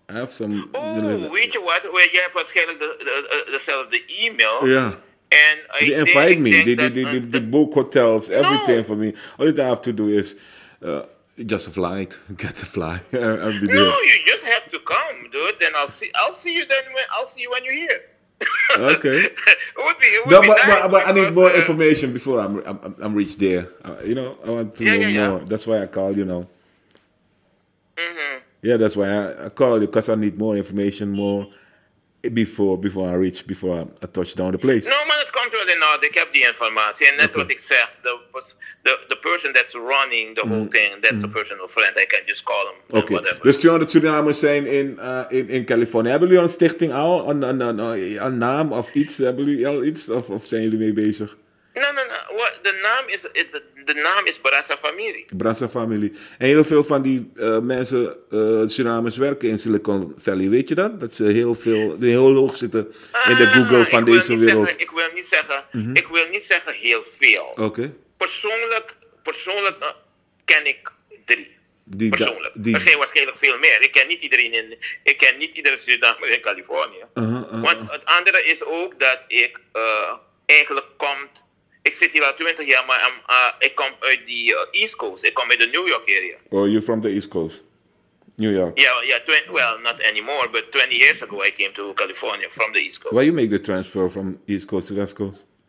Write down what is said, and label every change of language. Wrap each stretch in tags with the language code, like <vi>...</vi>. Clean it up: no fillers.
<nl>Weet je wat, jij hebt waarschijnlijk dezelfde e-mail. Ja.</nl> <en>Yeah. And they invite me. They book hotels, everything for me. All you have to do is just fly. Get the fly. You just have to come, dude. Then I'll see you then. I'll see you when you're here. Okay. It would be nice. But I need more information before I'm reached there. I want to know more. Yeah. That's why I call you now. Mm-hmm. Yeah, that's why I call you, because I need more information, more before I reach, before I touch down the place. No, man, it comes to the north. They kept the information. And that's what I said. The person that's running the whole thing, that's a personal friend. I can just call him. Okay. There's 200 Surinamers saying in California.</en> <nl>Hebben jullie een stichting al? Een naam of iets? Hebben jullie al iets? Of zijn jullie mee bezig?</nl> <en>No. The name is Brasa Family. Brasa Family.</en> <nl>En heel veel van die mensen, Surinamers, werken in Silicon Valley. Weet je dat? Dat ze heel hoog zitten in de Google van deze wereld. Ik wil niet zeggen heel veel. Okay. Persoonlijk ken ik 3. Er zijn waarschijnlijk veel meer. Ik ken niet iedere Surinamer in Californië. Want het andere is ook dat ik eigenlijk komt... Ik zit hier al 20 jaar, maar ik kom uit de</nl> <en>East Coast.</en> <nl>Ik kom uit de</nl> <en>New York area. Oh, you're from the East Coast? New York? Not anymore, but 20 years ago I came to California from the East Coast. Why you make the transfer from East Coast to West Coast?</en>